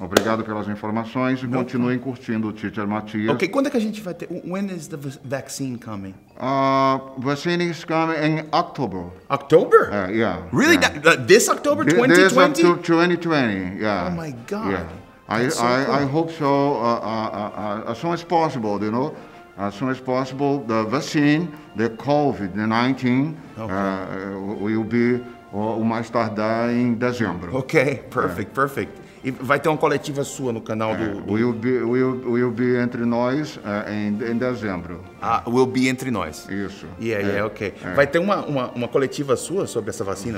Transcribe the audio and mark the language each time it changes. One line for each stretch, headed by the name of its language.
Portuguese: Obrigado pelas informações e continuem curtindo o Teacher Matias. Ok, quando é que a gente vai ter...
English: When is the vaccine coming? Vaccine is coming in October. October? Yeah. Really? Yeah. This October 2020? This October 2020, yeah. Oh my God. Yeah. I hope so, as soon as possible, you know, as soon as possible, the vaccine, the COVID-19, okay. Will be
Portuguese: o mais tardar em dezembro.
English: Ok, perfect, perfect.
Portuguese: E vai ter uma coletiva sua no canal do...
English: We'll be
Portuguese: entre nós em dezembro. Ah,
English: we'll be
Portuguese: entre nós. Isso.
English: Yeah, ok. É.
Portuguese: Vai ter uma coletiva sua sobre essa vacina?